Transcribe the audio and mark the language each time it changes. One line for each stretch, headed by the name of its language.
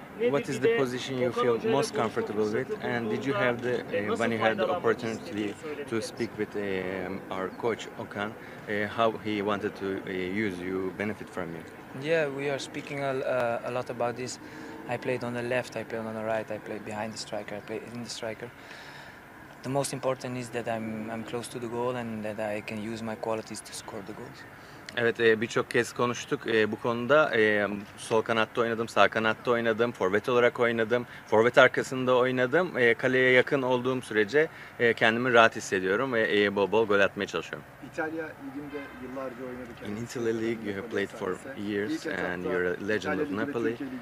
English: What is the position you feel most comfortable with? And did you have the when you had the opportunity to speak with our coach Okan, how he wanted to use you, benefit from you? Yeah, we are speaking a lot about this. I played on the left, I played on the right, I played behind the striker, I played in the striker. The most important is that I'm close to the goal and that I can use my qualities to score the goals.
Turkish: Evet, birçok kez konuştuk bu konuda. Sol kanatta oynadım, sağ kanatta oynadım, forvet olarak oynadım, forvet arkasında oynadım. Kaleye yakın olduğum sürece kendimi rahat hissediyorum ve bol bol gol atmaya çalışıyorum. İtalya liginde yıllarca oynadık.
English: In Italy league you have played for years and you're a legend of Napoli.